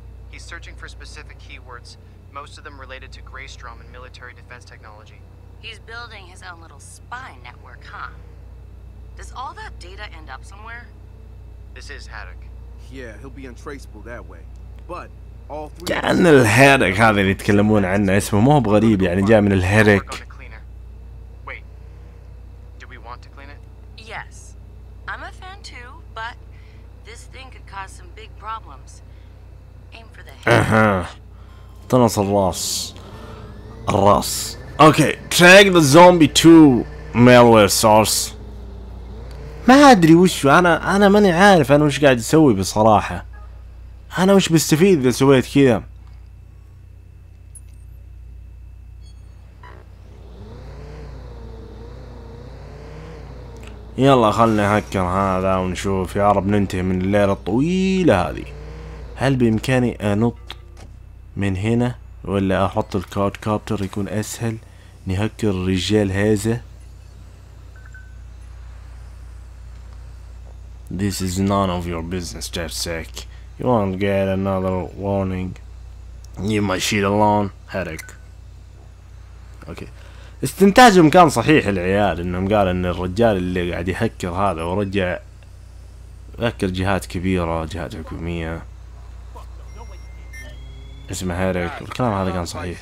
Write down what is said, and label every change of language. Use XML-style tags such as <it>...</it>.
<en>He's searching for specific keywords, most of them related to Graystrom and military defense technology. He's building his own little spy network, huh? Does all that data end up somewhere? This is Haddock. Yeah, he'll be untraceable that way. But all three.</en> <ar>كأن الهيرك هذا اللي يتكلمون عنه اسمه مو بغريب يعني جاء من الهيرك.</ar> <en>Wait. Do we want to clean it? Yes. I'm a fan too, but this thing could cause some big problems. Aim for the head.</en> <ar>طنص الراس. الراس.</ar> <en>Okay, track the zombie to malware source.</en> <ar>ما ادري وش انا ماني عارف انا وش قاعد اسوي بصراحه. انا وش بستفيد اذا سويت كذا؟ يلا خلني هكر هذا ونشوف يا رب ننتهي من الليله الطويله هذه. هل بامكاني انط من هنا ولا احط الكارد كابتر يكون اسهل نهكر الرجال هذا؟</ar> <en>This is none of your business, Jeff Sack. You won't get another warning. Leave my shit alone, headache. Okay.</en> <ar>استنتاجهم كان صحيح العيال، انهم قال ان الرجال اللي قاعد يهكر هذا ورجع يهكر جهات كبيرة، جهات حكومية اسمه هيريك، والكلام هذا كان صحيح.</ar>